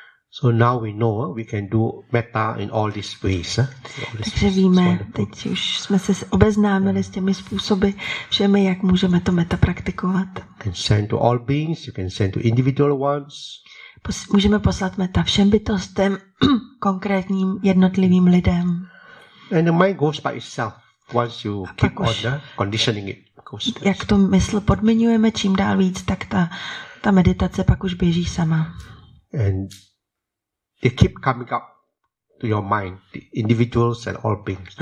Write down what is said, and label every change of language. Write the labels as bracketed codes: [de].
[en] So now we know we can do metta in all these ways. [cs] Takže víme, teď už jsme se obeznámili s těmi způsoby, všemi, jak můžeme to metta praktikovat. [en] You can send to all beings, you can send to individual ones. [cs] Můžeme poslat metta všem bytostem, konkrétním jednotlivým lidem. [en] And the mind goes by itself once you keep on conditioning it. [cs] Jak to mysl podmiňujeme čím dál víc, tak ta meditace pak už běží sama. [en] And they keep coming up to your mind, the individuals and all beings.